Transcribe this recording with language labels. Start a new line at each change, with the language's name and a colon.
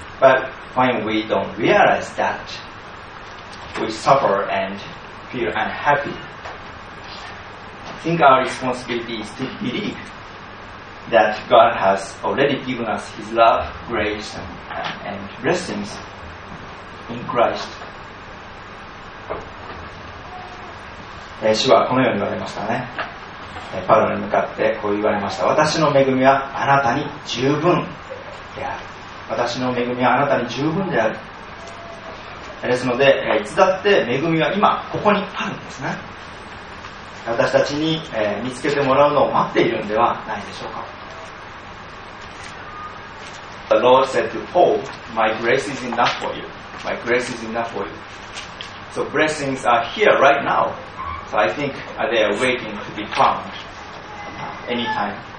English: But when we don't realize that, we suffer andfeel unhappy. I think our responsibility is to believe that God has already given us His love, grace, and blessings in Christ.
Japanese: 主はこのように言われましたね。パウロに向かってこう言われました。私の恵みはあなたに十分である。私の恵みはあなたに十分である。ですので、いつだって恵みは今ここにあるんですね。私たちに、見つけてもらうのを待っているのではないでしょうか。
English: The Lord said to Paul, My grace is enough for you. My grace is enough for you. So blessings are here right now. So I think they are waiting to be found anytime.